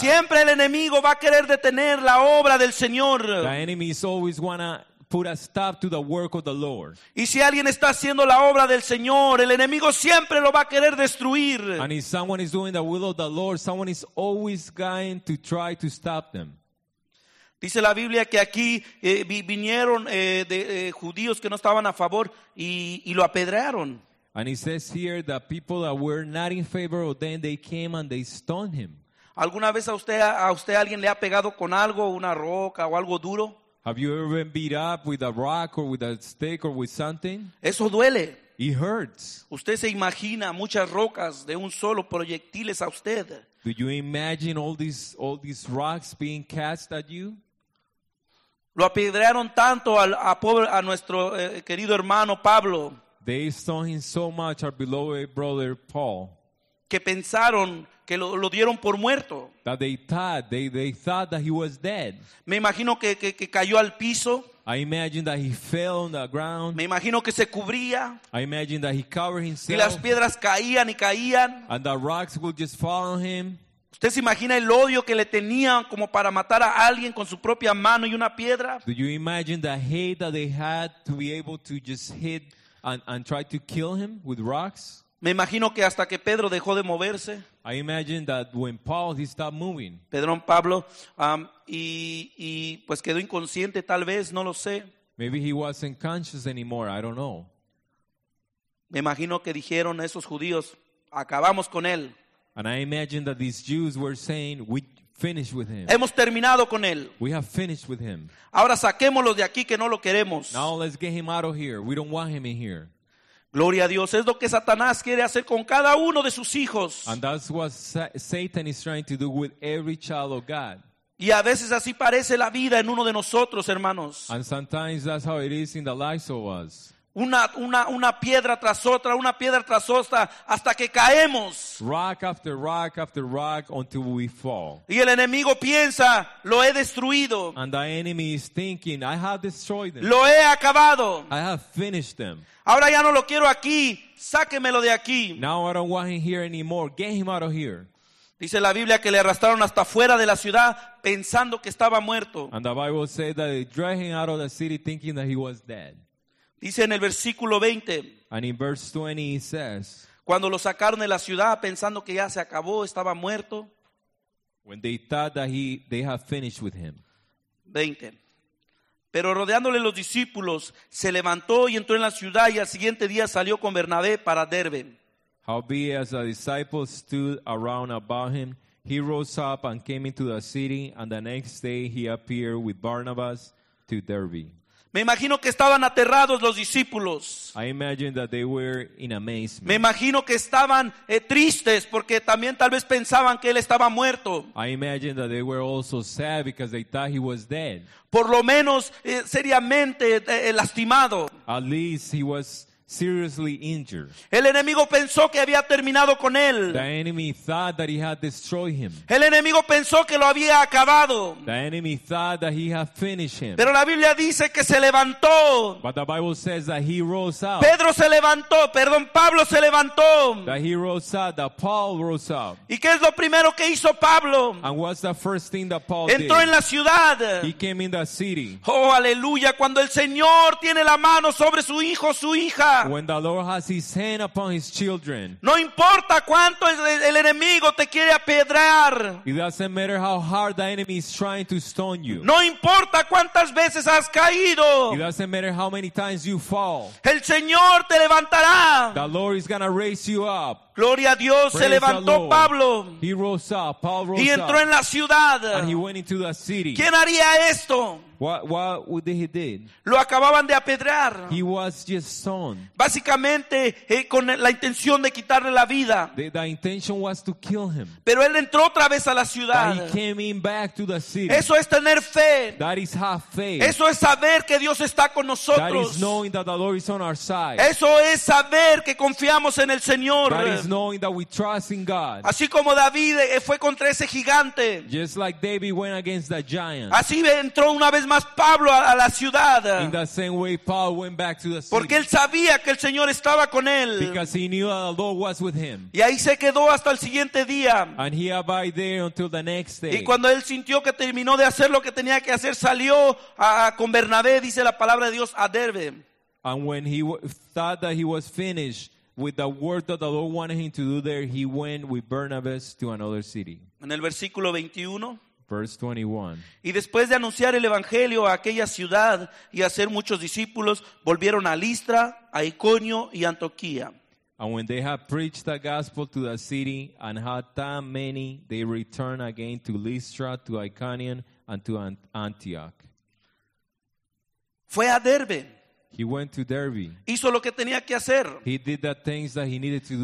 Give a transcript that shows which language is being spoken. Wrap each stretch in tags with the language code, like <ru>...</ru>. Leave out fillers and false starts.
<es>Siempre el enemigo va a querer detener la obra del Señor.</es> <en>The enemy is always going to put a stop to the work of the Lord.</en> <es>Y si alguien está haciendo la obra del Señor, el enemigo siempre lo va a querer destruir.</es> <en>And if someone is doing the will of the Lord, someone is always going to try to stop them.</en> <es>Dice la Biblia que aquí vinieron judíos que no estaban a favor y lo apedrearon.</es> <en>And it says here that people that were not in favor of them, they came and they stoned him.</en> <es>¿Alguna vez a usted alguien le ha pegado con algo, una roca o algo duro?</es> <en>Have you ever been beat up with a rock or with a stick or with something?</en> <es>Eso duele.</es> <en>It hurts.</en> <es>Usted se imagina muchas rocas de un solo proyectiles a usted.</es> <en>Do you imagine all these rocks being cast at you?</en> <es>Lo apedrearon tanto a nuestro querido hermano Pablo.</es> <en>They stoned him so much, our beloved brother Paul.</en> <es>Que pensaron que lo dieron por muerto.</es> <en>That they thought that he was dead.</en> <es>Me imagino que cayó al piso.</es> <en>I imagine that he fell on the ground.</en> <es>Me imagino que se cubría.</es> <en>I imagine that he covered himself.</en> <es>Y las piedras caían y caían.</es> <en>And the rocks would just fall on him.</en> <es>¿Usted se imagina el odio que le tenían como para matar a alguien con su propia mano y una piedra?</es> <en>Do you imagine the hate that they had to be able to just hit and try to kill him with rocks?</en> <es>Me imagino que hasta que Pedro dejó de moverse.</es> <en>I imagine that when Paul, he stopped moving.</en> <es>Pedrón Pablo, y pues quedó inconsciente tal vez, no lo sé.</es> <en>Maybe he wasn't conscious anymore, I don't know.</en> <es>Me imagino que dijeron a esos judíos, acabamos con él.</es> <en>And I imagine that these Jews were saying, we finished with him.</en> <es>Hemos terminado con él.</es> <en>We have finished with him.</en> <es>Ahora saquémoslo de aquí que no lo queremos.</es> <en>Now let's get him out of here, we don't want him in here.</en> <es>Gloria a Dios, es lo que Satanás quiere hacer con cada uno de sus hijos.</es> <en>And that's what Satan is trying to do with every child of God.</en> <es>Y a veces así parece la vida en uno de nosotros, hermanos.</es> <en>And sometimes that's how it is in the lives of us.</en> <es>Una piedra tras otra, una piedra tras otra, hasta que caemos.</es> <en>Rock after rock after rock until we fall.</en> <es>Y el enemigo piensa, lo he destruido.</es> <en>And the enemy is thinking, I have destroyed them.</en> <es>Lo he acabado.</es> <en>I have finished them.</en> <es>Ahora ya no lo quiero aquí, sáquemelo de aquí.</es> <en>Now I don't want him here anymore. Get him out of here.</en> <es>Dice la Biblia que le arrastraron hasta fuera de la ciudad pensando que estaba muerto.</es> <en>And the Bible says that they dragged him out of the city thinking that he was dead.</en> <es>Dice en el versículo 20.</es> <en>And in verse 20 he says.</en> <es>Cuando lo sacaron de la ciudad pensando que ya se acabó, estaba muerto.</es> <en>When they thought that they had finished with him.</en> <es>20. Pero rodeándole los discípulos, se levantó y entró en la ciudad y al siguiente día salió con Bernabé para Derbe.</es> <en>Howbeit as the disciples stood around about him, he rose up and came into the city, and the next day he appeared with Barnabas to Derbe.</en> <es>Me imagino que estaban aterrados los discípulos.</es> <en>I imagine that they were in amazement.</en> <es>Me imagino que estaban tristes porque también tal vez pensaban que él estaba muerto.</es> <en>I imagine that they were also sad because they thought he was dead.</en> <es>Por lo menos seriamente lastimado.</es> <en>At least he was seriously injured.</en> <es>El enemigo pensó que había terminado con él.</es> <en>The enemy thought that he had destroyed him.</en> <es>El enemigo pensó que lo había acabado.</es> <en>The enemy thought that he had finished him.</en> <es>Pero la Biblia dice que se levantó.</es> <en>But the Bible says that he rose up.</en> <es>Pedro se levantó, perdón, Pablo se levantó.</es> <en>That he rose up, that Paul rose up.</en> <es>¿Y qué es lo primero que hizo Pablo?</es> <en>And what's the first thing that Paul</en> <es>entró</es> <en>did?</en> <es>En la ciudad.</es> <en>He came in the city.</en> <es>Oh, aleluya, cuando el Señor tiene la mano sobre su hijo, su hija.</es> <en>When the Lord has his hand upon his children.</en> <es>No importa cuánto el enemigo te quiere apedrear.</es> <en>It doesn't matter how hard the enemy is trying to stone you.</en> <es>No importa cuántas veces has caído.</es> <en>It doesn't matter how many times you fall.</en> <es>El Señor te levantará.</es> <en>The Lord is going to raise you up.</en> <es>Gloria a Dios,</es> <en>praise</en> <es>se levantó Pablo.</es> <en>He rose up. Paul rose</en> <es>y entró en la ciudad.</es> <en>And he went into the city.</en> <es>¿Quién haría esto?</es> <en>What would he did?</en> <es>Lo acababan de apedrear.</es> <en>He was just stoned.</en> <es>Básicamente con la intención de quitarle la vida.</es> <en>The intention was to kill him.</en> <es>Pero él entró otra vez a la ciudad.</es> <en>But he came in back to the city.</en> <es>Eso es tener fe.</es> <en>That is have faith.</en> <es>Eso es saber que Dios está con nosotros.</es> <en>That is knowing that the Lord is on our side.</en> <es>Eso es saber que confiamos en el Señor.</es> <en>That is knowing that we trust in God.</en> <es>Así como David fue contra ese gigante.</es> <en>Just like David went against the giant.</en> <es>Así entró una vez más Pablo a la ciudad.</es> <en>In the same way Paul went back to the city.</en> <es>Porque él sabía que el Señor estaba con él.</es> <en>Because he knew that the Lord was with him.</en> <es>Y ahí se quedó hasta el siguiente día.</es> <en>And he abided there until the next day.</en> <es>Y cuando él sintió que terminó de hacer lo que tenía que hacer, salió con Bernabé, dice la palabra de Dios, a Derbe.</es> <en>And when he thought that he was finished with the work that the Lord wanted him to do there, he went with Barnabas to another city.</en> <es>En el versículo 21.</es> <en>Verse 21.</en> <es>Y después de anunciar el evangelio a aquella ciudad y hacer muchos discípulos, volvieron a Listra, a Iconio y Antioquía.</es> <en>And when they had preached the gospel to the city and had that many, they returned again to Listra, to Iconium, and to Antioch.</en> <es>Fue a Derbe.</es> <en>He went to Derbe.</en> <es>Hizo lo que tenía que hacer.</es> <en>He did the things that he needed to do.</en>